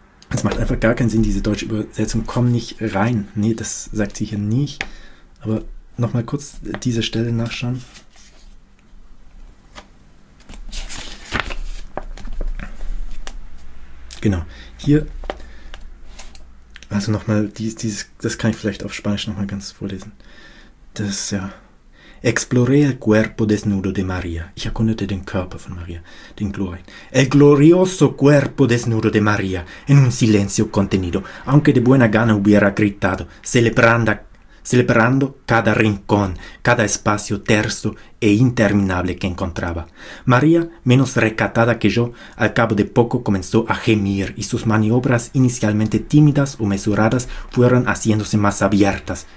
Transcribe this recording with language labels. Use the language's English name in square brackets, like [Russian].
[German] es macht einfach gar keinen Sinn, diese deutsche Übersetzung, komm nicht rein, nee, das sagt sie hier nicht, aber nochmal kurz diese Stelle nachschauen. Genau, hier, also nochmal, das kann ich vielleicht auf Spanisch nochmal ganz vorlesen. Das, ja. [Spanish] Exploré el cuerpo desnudo de María. [German] Ich erkundete den Körper von Maria, den Glorien. [Spanish] El glorioso cuerpo desnudo de María, en un silencio contenido, aunque de buena gana hubiera gritado, celebrando cada rincón, cada espacio terso e interminable que encontraba. María, menos recatada que yo, al cabo de poco comenzó a gemir y sus maniobras inicialmente tímidas o mesuradas fueron haciéndose más abiertas.